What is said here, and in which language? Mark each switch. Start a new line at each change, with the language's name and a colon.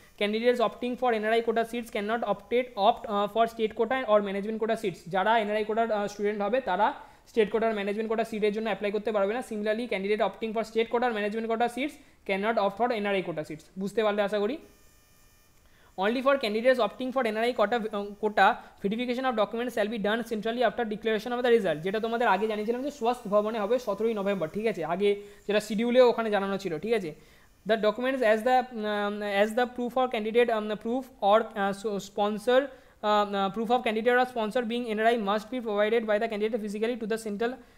English: candidates opting for NRI quota seats can not opt for state quota or management quota seats,
Bangla: যারা NRI কোটার student হবে তারা state কোটার management কোটা সিটের জন্য অ্যাপ্লাই করতে পারবে না।
English: similarly candidate opting for state কোটার management quota seats can not opt for NRI quota seats,
Bangla: বুঝতে পারলে আশা করি।
English: Only for candidates opting for NRI quota, verification of documents shall be done centrally after declaration of the result.
Bangla: যেটা তোমাদের আগে জানিয়েছিলাম যে স্বাস্থ্য ভবনে হবে 17 নভেম্বর, ঠিক আছে, আগে যেটা শিডিউলে ওখানে জানানো ছিল, ঠিক আছে।
English: The documents as the proof or candidate proof or sponsor proof of candidate or sponsor being NRI must be provided by the candidate physically to the central.